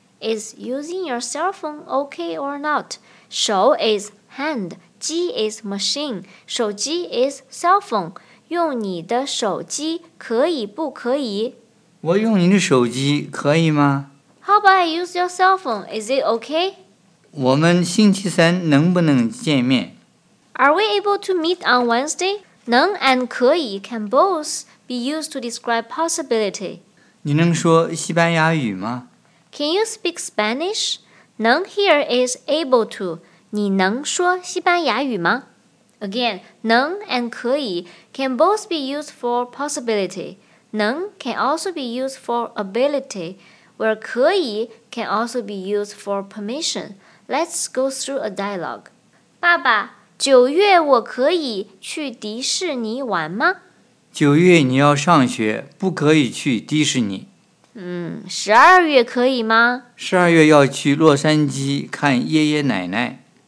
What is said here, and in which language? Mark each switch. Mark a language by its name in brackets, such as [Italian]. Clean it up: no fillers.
[English] Is using your cell phone okay or not? 手 is hand, 机 is machine, 手机 is cell phone. [Chinese] 用你的手机可以不可以？我用你的手机可以吗？ [English] How about I use your cell phone? Is it okay? [Chinese] 我们星期三能不能见面? [English] Are we able to meet on Wednesday? 能 and 可以 can both be used to describe possibility. [Chinese] 你能说西班牙语吗? [English] Can you speak Spanish? 能 here is able to. [Chinese] 你能说西班牙语吗? [English] Again, 能 and 可以 can both be used for possibility. 能 can also be used for ability. Where 可以 can also be used for permission. Let's go through a dialogue. [Chinese] 爸爸，九月我可以去迪士尼玩吗？九月你要上学，不可以去迪士尼。十二月可以吗？十二月要去洛杉矶看爷爷奶奶。